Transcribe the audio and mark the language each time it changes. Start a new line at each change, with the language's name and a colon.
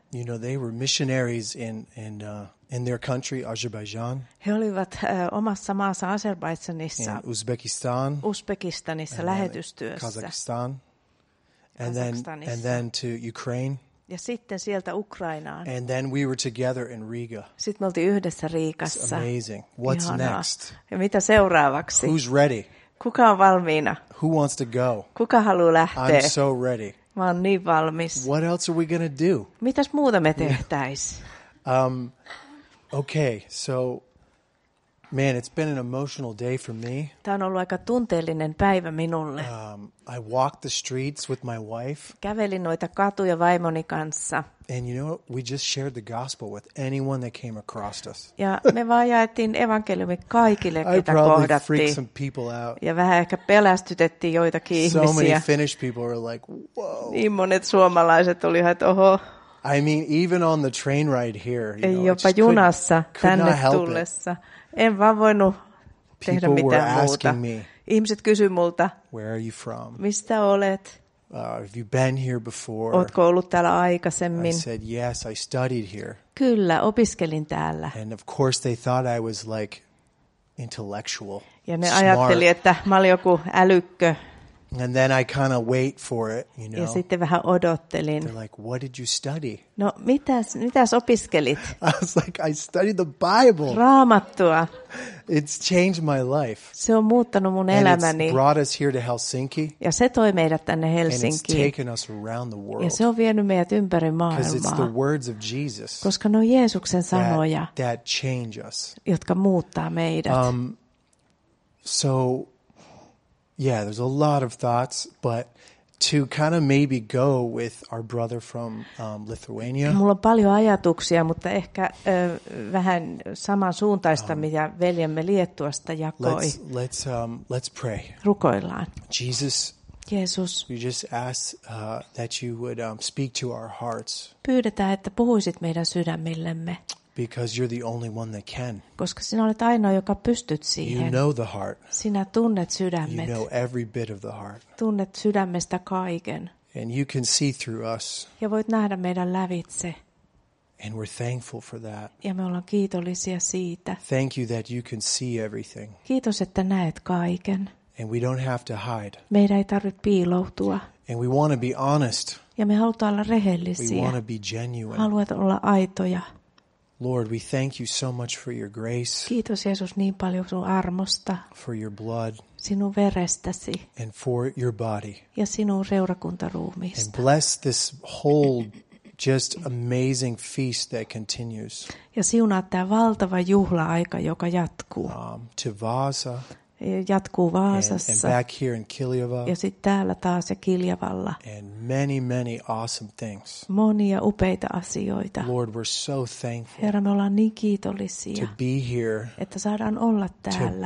English: You know, they were missionaries in their country, Azerbaijan.
Finnish: He olivat omassa maassa Azerbaidžanissa.
English: In Uzbekistan.
Finnish: Uzbekistanissa lähetystyössä.
English: Kazakhstan. And then to Ukraine.
Finnish: Ja sitten sieltä Ukrainaan.
English: And then we were together in Riga.
Finnish: Sitten me oltiin yhdessä Riikassa.
English: It's amazing. What's
Finnish: ihanaa.
English: Next?
Finnish: Ja mitä seuraavaksi?
English: Who's ready?
Finnish: Kuka on valmiina?
English: Who wants to go?
Finnish: Kuka haluaa lähteä?
English: I'm so ready.
Finnish: Mä oon niin valmis.
English: What else are we going to do?
Finnish: Mitäs muuta me tehtäis?
English: Okay, so man, it's been an emotional day for me.
Finnish: Tämä on ollut aika tunteellinen päivä minulle.
English: I walked the streets with my wife.
Finnish: Kävelin noita katuja vaimoni kanssa.
English: And you know, we just shared the gospel with anyone that came across us.
Finnish: Ja me vaan jaettiin evankeliumi kaikille, ketä kohdattiin.
English: I probably freaked some people out.
Finnish: Ja vähän ehkä pelästytettiin joitakin ihmisiä.
English: So many Finnish people were like, whoa.
Finnish: Niin monet suomalaiset olivat, että oho.
English: I mean, even on the train ride here, you know,
Finnish: jopa junassa tänne tullessa. En vaan voinut tehdä mitään muuta.
English: Me,
Finnish: ihmiset kysyivät multa,
English: where are you from?
Finnish: Mistä olet?
English: Have you been here before?
Finnish: Ootko ollut täällä aikaisemmin?
English: I said, yes, I studied here.
Finnish: Kyllä, opiskelin täällä.
English: And of course they thought I was like intellectual,
Finnish: ja ne
English: smart.
Finnish: Ajatteli, että mä olin joku älykkö.
English: And then I kind of wait for it, you know.
Finnish: Ja sitten vähän odottelin.
English: They're like, what did you study?
Finnish: No, mitäs opiskelit?
English: I was like, I studied the Bible.
Finnish: Raamattua.
English: It's changed my life.
Finnish: Se on muuttanut mun
English: and
Finnish: elämäni.
English: It's brought us here to Helsinki.
Finnish: Ja se toi meidät tänne Helsinkiin.
English: And it's taken us around the world.
Finnish: Ja se on vienyt meidät ympäri maailmaa.
English: Because it's the words of Jesus.
Finnish: Koska ne on Jeesuksen sanoja.
English: That change us.
Finnish: Jotka muuttaa meidät.
English: Yeah, there's a lot of thoughts, but to kind of maybe go with our brother from Lithuania.
Finnish: Mulla on paljon ajatuksia, mutta ehkä vähän saman suuntaista mitä veljemme Liettuasta jakoi.
English: Let's pray.
Finnish: Rukoillaan. Jeesus.
English: We just ask that you would speak to our hearts.
Finnish: Pyydetään, että puhuisit meidän sydämillemme.
English: Because you're the only one that can.
Finnish: Koska sinä olet ainoa, joka pystyt siihen.
English: You know the heart.
Finnish: Sinä tunnet sydämet.
English: You know every bit of the heart.
Finnish: Tunnet sydämestä kaiken.
English: And you can see through us.
Finnish: Ja voit nähdä meidän lävitse.
English: And we're thankful for that.
Finnish: Ja me ollaan kiitollisia siitä.
English: Thank you that you can see everything.
Finnish: Kiitos, että näet kaiken.
English: And we don't have to hide.
Finnish: Meidän ei tarvitse piiloutua.
English: And we want to be honest.
Finnish: Ja me halutaan olla rehellisiä.
English: We want to be genuine.
Finnish: Haluat olla aitoja.
English: Lord, we thank you so much for your grace.
Finnish: Kiitos Jeesus niin paljon sun armosta.
English: For your blood.
Finnish: Sinun verestäsi.
English: And for your body.
Finnish: Ja sinun reurakuntaruumiista.
English: And bless this whole just amazing feast that continues.
Finnish: Ja siunaa tämä valtava juhla-aika, joka jatkuu.
English: To Vaasa.
Finnish: Jatkuu Vaasassa.
English: And back here in Kiljava.
Finnish: Ja sitten täällä taas ja Kiljavalla.
English: And many, many awesome things.
Finnish: Monia upeita asioita.
English: Lord, we're so thankful.
Finnish: Herra, me ollaan niin kiitollisia.
English: To be here.
Finnish: Että saadaan olla täällä.